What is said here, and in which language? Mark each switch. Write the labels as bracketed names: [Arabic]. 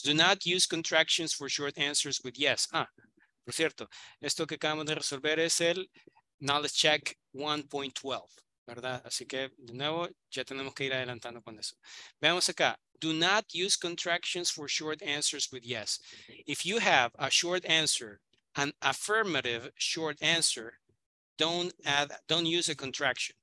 [English] Do not use contractions for short answers with yes. [Spanish] Ah, por cierto, esto que acabamos de resolver es el knowledge check 1.12. ¿Verdad? Así que, de nuevo, ya tenemos que ir adelantando con eso. Veamos acá. [English] Do not use contractions for short answers with yes. If you have a short answer, an affirmative short answer, don't use a contraction.